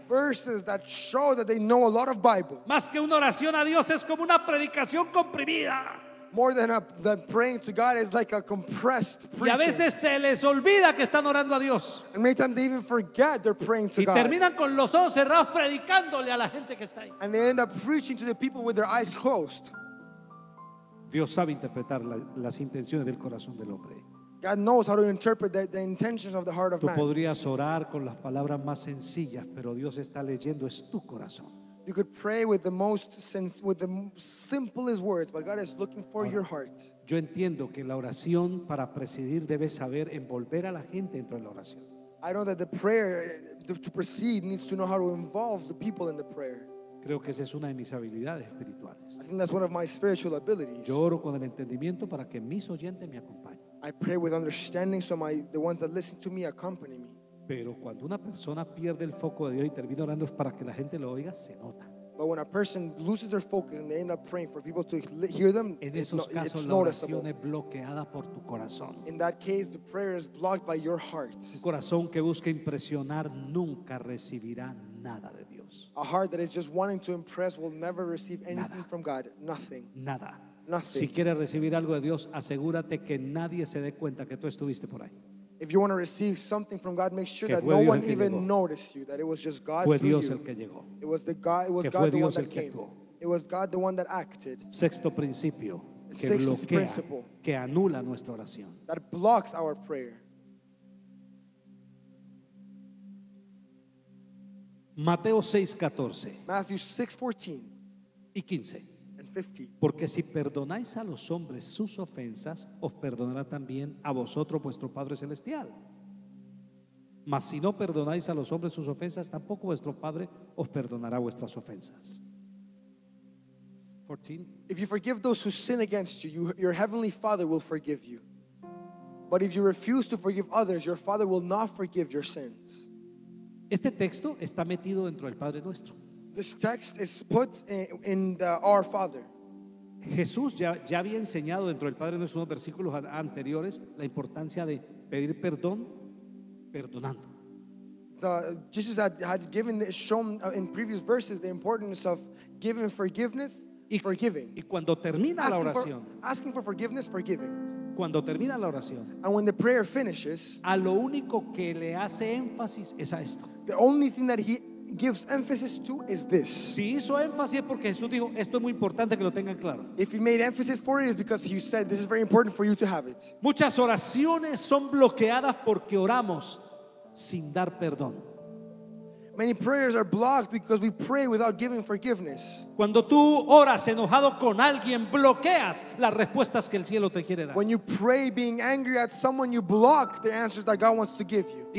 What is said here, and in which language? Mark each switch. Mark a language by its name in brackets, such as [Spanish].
[English] Verses that show that they know a lot of Bible. [Spanish] Más que una oración a Dios es como una predicación comprimida. [English] More than praying to God is like a compressed preaching. [Spanish] Y a veces se les olvida que están orando a Dios. [English] And many times they even forget they're praying to [Spanish] y [English] God. [Spanish] Y terminan con los ojos cerrados predicándole a la gente que está ahí. [English] And they end up preaching to the people with their eyes closed. [Spanish] Dios sabe interpretar las intenciones del corazón del hombre. [English] God knows how to interpret the intentions of the heart of [Spanish] tú [English] man. [Spanish] Tú podrías orar con las palabras más sencillas, pero Dios está leyendo es tu corazón. [English] You could pray with the most sense, with the simplest words, but God is looking for your heart. [Spanish] Yo entiendo que la oración para presidir debe saber envolver a la gente dentro de la oración. [English] I know that the prayer to precede needs to know how to involve the people in the prayer. [Spanish] Creo que esa es una de mis habilidades espirituales. [English] I think that's one of my spiritual abilities. [Spanish] Yo oro con el entendimiento para que mis oyentes me acompañen. [English] I pray with understanding so the ones that listen to me accompany me. [Spanish] Pero cuando una persona pierde el foco de Dios y termina orando es para que la gente lo oiga, se nota. [English] But when a person loses their focus and they end up praying for people to hear them, [Spanish] en esos casos la oración es bloqueada por tu corazón. [English] In that case, the prayer is blocked by your heart. [Spanish] Un corazón que busca impresionar nunca recibirá nada de Dios. [English] A heart that is just wanting to impress will never receive anything from God. Nothing. [Spanish] Nada. [English] Nothing. [Spanish] Si quieres recibir algo de Dios, asegúrate que nadie se dé cuenta que tú estuviste por ahí. [English] If you want to receive something from God, make sure that no one even noticed you, that it was just God through [Spanish] Dios [English] you. [Spanish] El que llegó. [English] It was the God, it was [Spanish] que [English] God the [Spanish] Dios [English] one that came. It was God the one that acted. [Spanish] Sexto principio que bloquea, principle que anula nuestra oración. [English] That blocks our prayer. [Spanish] Mateo 6:14. [English] Matthew 6:14. [Spanish] Y 15. [English] And 15. [Spanish] Porque si perdonáis a los hombres sus ofensas, os perdonará también a vosotros vuestro Padre celestial. Mas si no perdonáis a los hombres sus ofensas, tampoco vuestro Padre os perdonará vuestras ofensas. 14. [English] If you forgive those who sin against you, your heavenly Father will forgive you. But if you refuse to forgive others, your Father will not forgive your sins. [Spanish] Este texto está metido dentro del Padre Nuestro. [English] This text is put in the Our Father. [Spanish] Jesús ya había enseñado dentro del Padre Nuestro unos versículos anteriores la importancia de pedir perdón perdonando. [English] Jesus had shown in previous verses the importance of giving forgiveness, forgiving. [Spanish] Y cuando termina la oración, [English] asking for forgiveness, forgiving. [Spanish] Cuando termina la oración, [English] and when the prayer finishes, [Spanish] a lo único que le hace énfasis es a esto. [English] The only thing that he gives emphasis to is this. [Spanish] Si hizo énfasis es porque Jesús dijo, esto es muy importante que lo tengan claro. [English] If he made emphasis for it, it's because he said this is very important for you to have it. [Spanish] Muchas oraciones son bloqueadas porque oramos sin dar perdón. [English] Many prayers are blocked because we pray without giving forgiveness. [Spanish] Cuando tú oras enojado con alguien, bloqueas las respuestas que el cielo te quiere dar. [English] When you pray being angry at someone, you block the answers that God wants to give you.